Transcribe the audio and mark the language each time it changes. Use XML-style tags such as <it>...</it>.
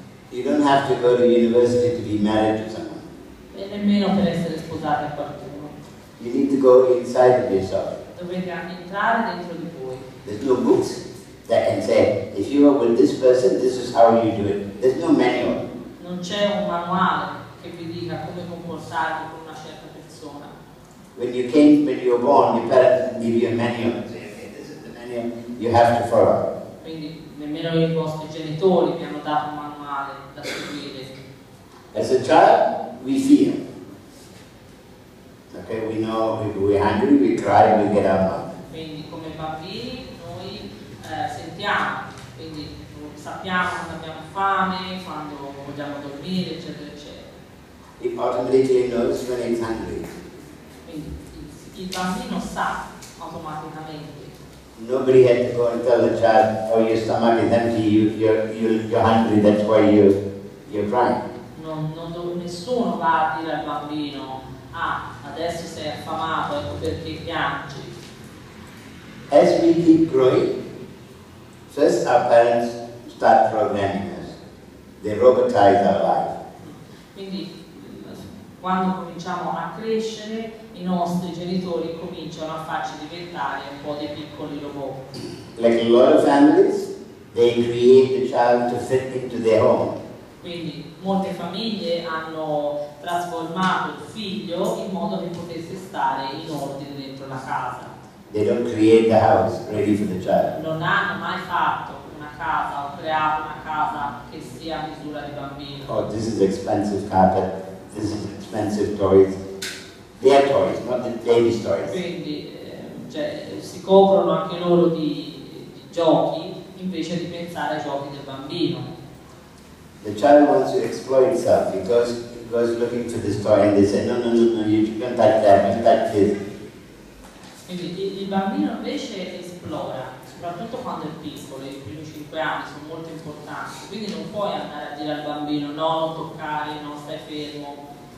<en>You don't have to go to university to be married to someone.</en> <it>E nemmeno per essere sposati a qualcuno.</it> <en>You need to go inside of yourself.</en> <it>Dovete entrare dentro di voi.</it> <en>There's no books that can say, if you are with this person, this is how you do it. There's no manual.</en> <it>Non c'è un manuale che vi dica come comportarvi con una certa persona.</it> <en>When you came, when you were born, your parents didn't give you a manual. Say, okay, this is the manual you have to follow.</en> <it>Quindi nemmeno i vostri genitori vi hanno dato un manuale da seguire.</it> <en>As a child, we feel. Okay, we know if we're hungry, we cry, we get our mouth.</en> <it>Quindi come bambini noi sentiamo, quindi sappiamo quando abbiamo fame, quando vogliamo dormire, eccetera, eccetera.</it> <en>It automatically knows when it's hungry.</en> <it>Quindi il bambino sa automaticamente.</it> <en>Nobody had to go and tell the child, oh, your stomach is empty, you're hungry, that's why you're crying.</en> <it>Nessuno va a dire al bambino, ah, adesso sei affamato, ecco perché piangi.</it> <en>As we keep growing, first our parents start programming us. They robotize our life.</en> <it>Quindi, quando cominciamo a crescere, i nostri genitori cominciano a farci diventare un po' dei piccoli robot.</it> <en>Like a lot of families, they create the child to fit into their home.</en> <it>Quindi, molte famiglie hanno trasformato il figlio in modo che potesse stare in ordine dentro la casa.</it> <en>They don't create the house ready for the child.</en> <it>Non hanno mai fatto una casa o creato una casa che sia a misura di bambino.</it> <en>Oh, this is expensive carpet, this is expensive toys. They are toys, not the baby's toys.</en> <it>Quindi si coprono anche loro di giochi invece di pensare ai giochi del bambino.</it> <en>The child wants to explore itself because it goes looking for this toy and they say, no, you can't touch that, you can't touch this.</en> <it>Quindi il bambino invece esplora, soprattutto quando è piccolo, i primi 5 anni sono molto importanti, quindi non puoi andare a dire al bambino no, non toccare, non stai fermo.</it>